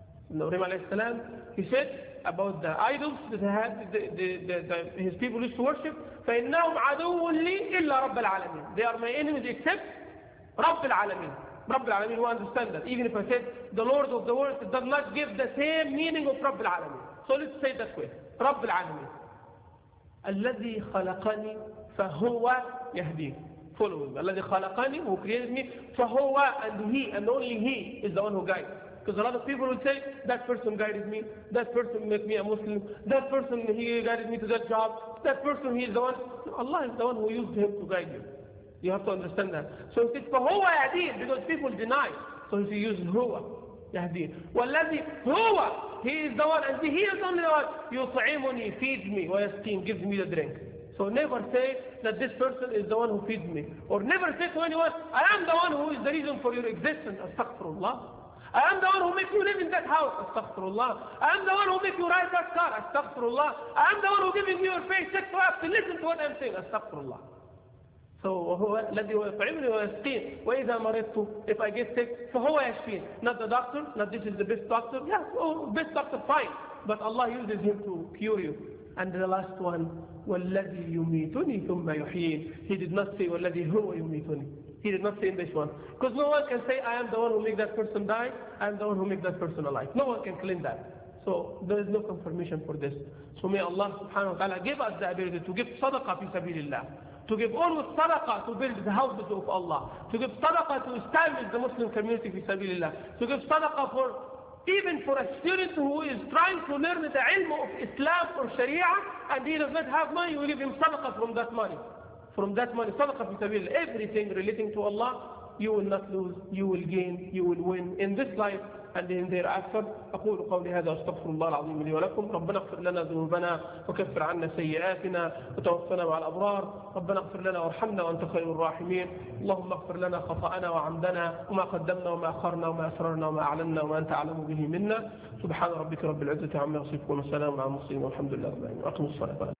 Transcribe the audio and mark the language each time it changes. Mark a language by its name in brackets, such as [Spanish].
[English] Ibrahim alayhi salam, he said about the idols that he had, his people used to worship, [Arabic] فَإِنَّهُمْ عَدُوٌ لِي إِلَّا رَبَّ الْعَالَمِينَ. [English] They are my enemies except رَبَّ الْعَالَمِينَ. رَبَّ الْعَالَمِينَ, who understand that. Even if I said the Lord of the world, it does not give the same meaning of [Arabic] رَبَّ الْعَالَمِينَ. [English] So let's say that way. [Arabic] رَبَّ الْعَالَمِينَ. الذي خلقني فهو يهدي. [English] follow him. Allah khalaqani, who created me, fahuwa, and he, and only he, is the one who guides. Because a lot of people will say, that person guided me, that person made me a Muslim, that person, he guided me to that job, that person, he is the one. No, Allah is the one who used him to guide you. You have to understand that. So he says, fahuwa yahdeen, because people deny. So he uses huwa, yahdeen. Walladhi huwa, he is the one, and he is only the one. Yut'imuni, feeds me, wa yasqeen, gives me the drink. So never say that this person is the one who feeds me. Or never say to anyone, I am the one who is the reason for your existence. Astaghfirullah. I am the one who makes you live in that house. Astaghfirullah. I am the one who makes you ride that car. Astaghfirullah. I am the one who giving you your paycheck so you have to listen to what I'm saying. Astaghfirullah. [Arabic] So, الَّذِي وَيَطْعِمْنِي وَيَسْقِينِ وَإِذَا مَرِضْتُ, [English] if I get sick, [Arabic] فَهُوَ يَشْفِينِ. [English] Not the doctor, not this is the best doctor. Yes, oh, best doctor, fine. But Allah uses him to cure you. And the last one, [Arabic] وَالَّذِي يُمِيتُنِي ثُمَّ يُحْيِينِ. [English] He did not say, [Arabic] وَالَّذِي هُوَ يُمِيتُنِي. [English] He did not say in this one. Because no one can say, I am the one who make that person die, I am the one who make that person alive. No one can claim that. So there is no confirmation for this. So may Allah subhanahu wa ta'ala give us the ability to give sadaqah fi sabilillah. To give almost sadaqah to build the houses of Allah. To give sadaqah to establish the Muslim community fi sabilillah. To give sadaqah for even for a student who is trying to learn the ilm of Islam or Sharia, and he does not have money, we give him sadaqah from that money. From that money, sadaqah fi sabil, everything relating to Allah, you will not lose, you will gain, you will win in this life and in thereafter. [Arabic] أقول قولي هذا أستغفر الله العظيم لي ولكم. ربنا اغفر لنا ذنوبنا وكفر عنا سيئاتنا وتوفنا مع الأبرار. ربنا اغفر لنا وارحمنا وأنت خير الراحمين. اللهم اغفر لنا خطأنا وعمدنا وما قدمنا وما أخرنا وما أسررنا وما أعلنا وما أنت أعلم به منا. سبحان ربك رب العزة عما يصفون وسلام على المرسلين والحمد لله رب العالمين. أقم الصلاة.